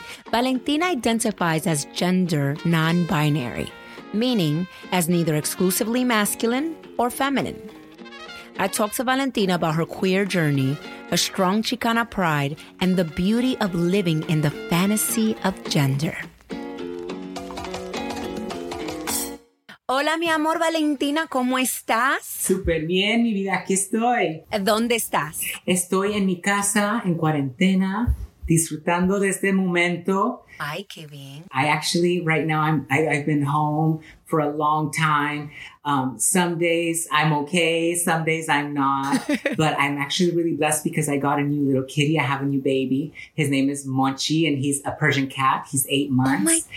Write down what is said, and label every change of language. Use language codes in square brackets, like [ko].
[en] Valentina identifies as gender non-binary, meaning as neither exclusively masculine or feminine. I talked to Valentina about her queer journey, a strong Chicana pride, and the beauty of living in the fantasy of gender. [es] Hola, mi amor, Valentina, ¿cómo estás? Súper bien, mi vida, aquí estoy. ¿Dónde estás? Estoy en mi casa, en cuarentena, disfrutando de este momento. Ay, qué bien. [en] I've been home for a long time. Some days I'm okay, some days I'm not. But I'm actually really blessed because I got a new little kitty. I have a new baby. His name is Monchi and he's a Persian cat. He's 8 months.